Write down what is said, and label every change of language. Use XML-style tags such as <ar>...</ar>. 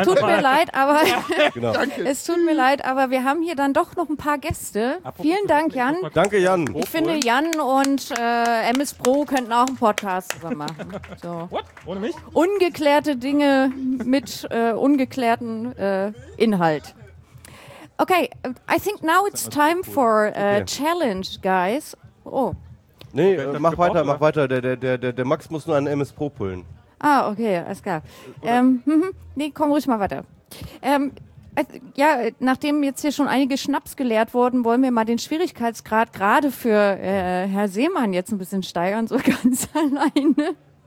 <de>Es tut mir leid, aber ja, genau. Es tut mir leid, aber wir haben hier dann doch noch ein paar Gäste. Apropos vielen Dank, Jan. Danke, Jan. Ich finde, Jan und MS Pro könnten auch einen Podcast zusammen machen. So.</de> <en>What?</en> <de>Ohne mich? Ungeklärte Dinge mit ungeklärten Inhalt.</de> <en>Okay, I think now it's time for a challenge, guys. Oh.</en> <de>Nee, mach weiter. Der Max muss nur einen MS Pro pullen. Ah, okay, alles klar. Nee, komm ruhig mal weiter. Ja, nachdem jetzt hier schon einige Schnaps geleert wurden, wollen wir mal den Schwierigkeitsgrad gerade für Herr Seemann jetzt ein bisschen steigern, so ganz alleine.</de>